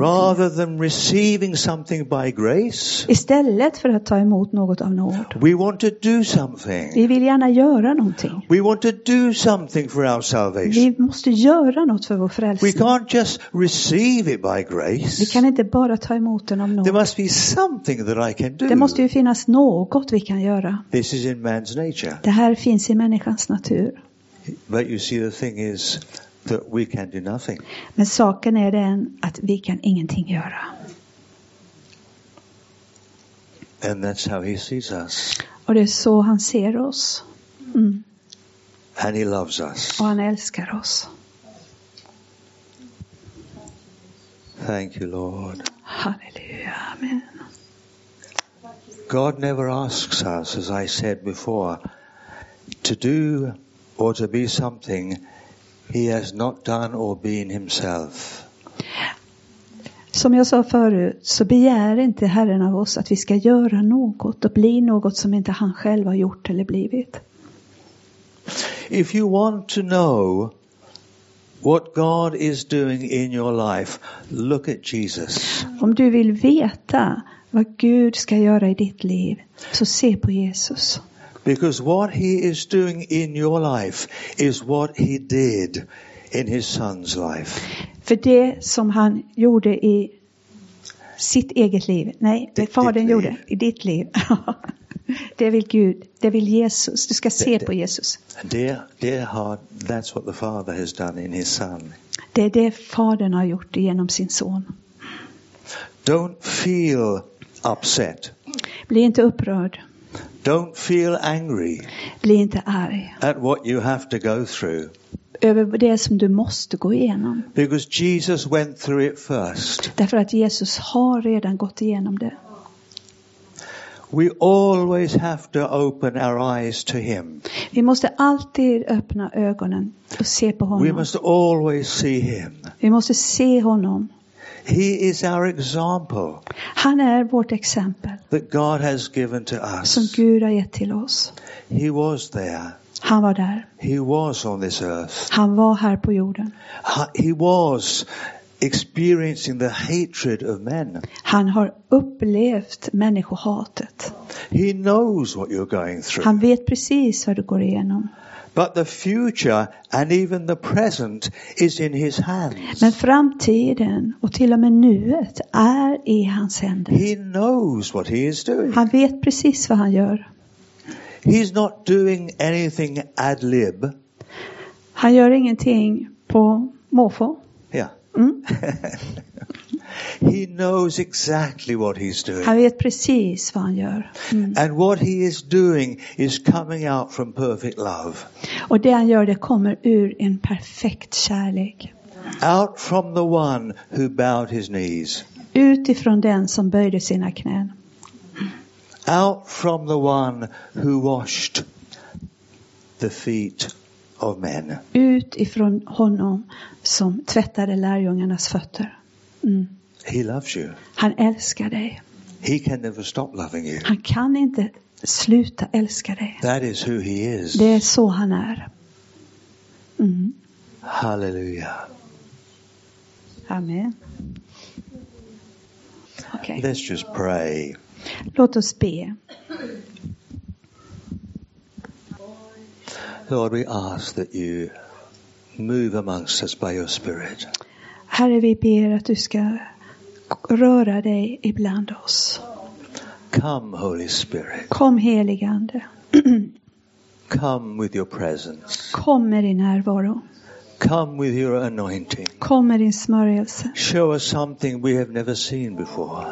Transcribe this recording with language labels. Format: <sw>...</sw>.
<en>Rather than receiving something by grace.</en> <sv>Istället för att ta emot något av nåd.</sv> <en>We want to do something.</en> <sv>Vi vill gärna göra någonting.</sv> <en>We want to do something for our salvation.</en> <sv>Vi måste göra något för vår frälsning.</sv> <en>We can't just receive it by grace.</en> <sv>Vi kan inte bara ta emot den av nåd.</sv> <en>There must be something that I can do.</en> <sv>Det måste ju finnas något vi kan göra.</sv> <en>This is in man's nature.</en> <sv>Det här finns i människans natur.</sv> <en>But you see, the thing is that we can do nothing.</en> <sv>Men saken är den att vi kan ingenting göra.</sv> <en>And that's how he sees us.</en> <sv>Och det är så han ser oss.</sv> <en>And he loves us.</en> <sv>Och han älskar oss.</sv> <en>Thank you, Lord.</en> <sv>Halleluja, amen.</sv> <en>God never asks us, as I said before, to do or to be something he has not done or been himself.</en> <sv>Som jag sa förut, så begär inte Herren av oss att vi ska göra något och bli något som inte han själv har gjort eller blivit.</sv> <en>If you want to know what God is doing in your life, look at Jesus.</en> <sv>Om du vill veta vad Gud ska göra i ditt liv, så se på Jesus.</sv> <en>Because what he is doing in your life is what he did in his son's life.</en> <sv>För det som han gjorde i sitt eget liv. Nej, det Fadern gjorde i ditt liv. Det vill Gud, det vill Jesus. Du ska se på Jesus.</sv> <en>Dear heart, that's what the Father has done in his son.</en> <sv>Det är det Fadern har gjort genom sin son.</sv> <en>Don't feel upset.</en> <sv>Bli inte upprörd.</sv> <en>Don't feel angry.</en> <sv>Bli inte arg.</sv> <en>At what you have to go through.</en> <sv>Över det som du måste gå igenom.</sv> <en>Because Jesus went through it first.</en> <sv>Därför att Jesus har redan gått igenom det.</sv> <en>We always have to open our eyes to him.</en> <sv>Vi måste alltid öppna ögonen och se på honom.</sv> <en>We must always see him.</en> <sv>Vi måste se honom.</sv> <en>He is our example.</en> <sv>Han är vårt exempel.</sv> <en>That God has given to us.</en> <sv>Som Gud har gett till oss.</sv> <en>He was there.</en> <sv>Han var där.</sv> <en>He was on this earth.</en> <sv>Han var här på jorden.</sv> <en>He was experiencing the hatred of men.</en> <sv>Han har upplevt människohatet.</sv> <en>He knows what you're going through.</en> <sv>Han vet precis vad du går igenom.</sv> <en>But the future and even the present is in his hands.</en> <sv>Men framtiden och till och med nuet är i hans händer.</sv> <en>He knows what he is doing.</en> <sv>Han vet precis vad han gör.</sv> <en>He's not doing anything ad lib.</en> <sv>Han gör ingenting på måfå. Yeah. Mm.</sv> <en>He knows exactly what he's doing.</en> <sv>Han vet precis vad han gör. Mm.</sv> <en>And what he is doing is coming out from perfect love.</en> <sv>Och det han gör, det kommer ur en perfekt kärlek.</sv> <en>Out from the one who bowed his knees.</en> <sv>Utifrån den som böjde sina knän.</sv> <en>Out from the one who washed the feet of men.</en> <sv>Utifrån honom som tvättade lärjungarnas fötter.</sv> <en>He loves you.</en> <sv>Han älskar dig.</sv> <en>He can never stop loving you.</en> <sv>Han kan inte sluta älska dig.</sv> <en>That is who he is.</en> <sv>Det är så han är. Mm. Halleluja. Amen.</sv> <en>Okay. Let's just pray.</en> <sv>Låt oss be.</sv> <en>Lord, we ask that you move amongst us by your spirit.</en> <sv>Herre, vi ber att du ska röra dig ibland oss.</sv> <en>Come, Holy Spirit.</en> <sv>Kom, heligande.</sv> <en>Come with your presence.</en> <sv>Kom med din närvaro.</sv> <en>Come with your anointing.</en> <sv>Kom med din smörjelse.</sv> <en>Show us something we have never seen before.</en>